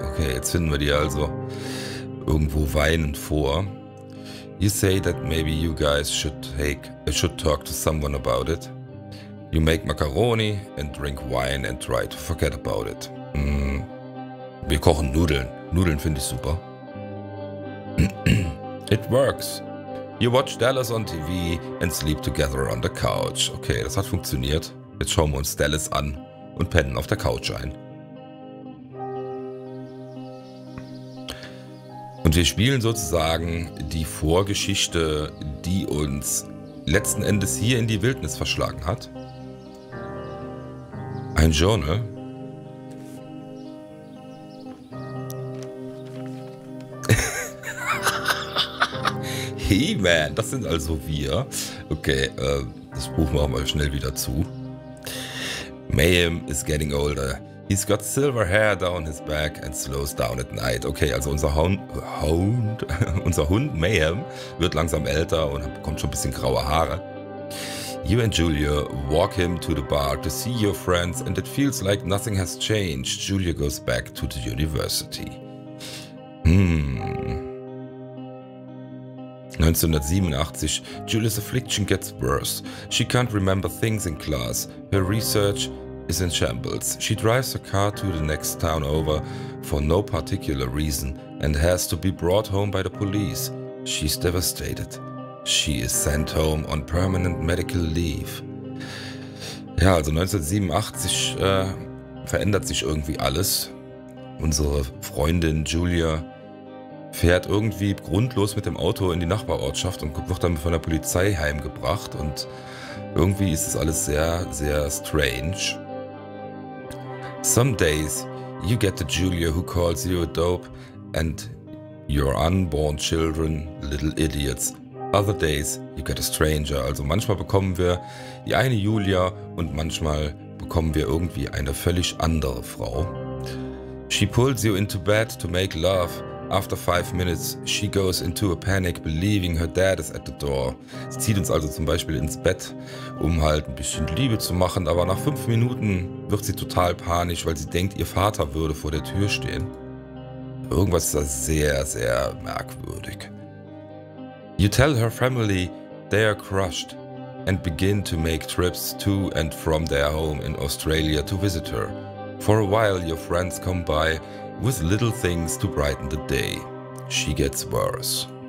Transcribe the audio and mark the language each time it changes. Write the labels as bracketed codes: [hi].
[de] Okay, jetzt finden wir die also irgendwo weinend vor. [en] You say that maybe you guys should talk to someone about it. You make macaroni and drink wine and try to forget about it. [de] Wir kochen Nudeln. Nudeln finde ich super. [en] It works. You watch Dallas on TV and sleep together on the couch. [de] Okay, das hat funktioniert. Jetzt schauen wir uns Dallas an und pennen auf der Couch ein. Und wir spielen sozusagen die Vorgeschichte, die uns letzten Endes hier in die Wildnis verschlagen hat. Ein Journal. Hey man, das sind also wir. Okay, das Buch machen wir schnell wieder zu. [en] Mayhem is getting older. He's got silver hair down his back and slows down at night. [de] Okay, also unser Hund Mayhem wird langsam älter und bekommt schon ein bisschen graue Haare. [en] You and Julia walk him to the bar to see your friends and it feels like nothing has changed. Julia goes back to the university. 1987, Julia's affliction gets worse. She can't remember things in class. Her research is in shambles. She drives her car to the next town over for no particular reason and has to be brought home by the police. She's devastated. She is sent home on permanent medical leave. [de] Ja, also 1987 verändert sich irgendwie alles. Unsere Freundin Julia fährt irgendwie grundlos mit dem Auto in die Nachbarortschaft und wird dann von der Polizei heimgebracht. Und irgendwie ist das alles sehr, sehr strange. [en] Some days you get the Julia who calls you a dope and your unborn children little idiots. Other days you get a stranger. [de] Also manchmal bekommen wir die eine Julia und manchmal bekommen wir irgendwie eine völlig andere Frau. [en] She pulls you into bed to make love. After 5 minutes, she goes into a panic, believing her dad is at the door. [de] Sie zieht uns also zum Beispiel ins Bett, um halt ein bisschen Liebe zu machen, aber nach 5 Minuten wird sie total panisch, weil sie denkt, ihr Vater würde vor der Tür stehen. Irgendwas ist da sehr, sehr merkwürdig. [en] You tell her family they are crushed and begin to make trips to and from their home in Australia to visit her. For a while your friends come by with little things to brighten the day. She gets worse.